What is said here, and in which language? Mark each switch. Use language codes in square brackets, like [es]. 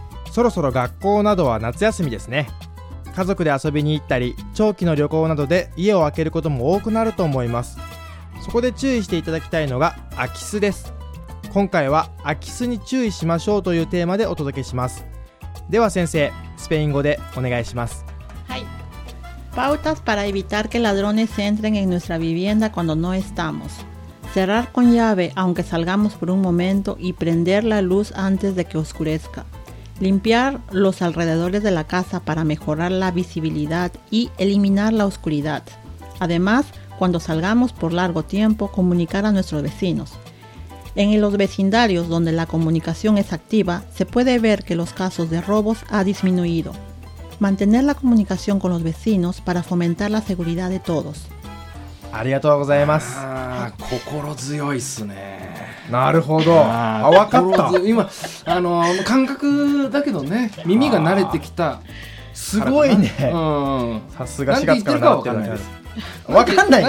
[ja] そろそろ学校などは夏休みですね。家族で遊びに行ったり長期の旅行などで家を空けることも多くなると思います。そこで注意していただきたいのが空き巣です。今回は空き巣に注意しましょうというテーマでお届けします。では先生、スペイン語でお願いします。はい。 [es] Pautas para evitar que ladrones entren en nuestra vivienda cuando no estamos. Cerrar con llave aunque salgamos por un momento y prender la luz antes de que oscurezca. Limpiar los alrededores de la casa para mejorar la visibilidad y eliminar la oscuridad. Además, cuando salgamos por largo tiempo, comunicar a nuestros vecinos. En los vecindarios donde la comunicación es activa, se puede ver que los casos de robos han disminuido. Mantener la comunicación con los vecinos para fomentar la seguridad de todos. [ja] ありがとうございます。心強いっすね。なるほど。あ、分かった。今感覚だけどね、耳が慣れてきた。すごいね、うん、さすが4月から習ってるのに。分かんないです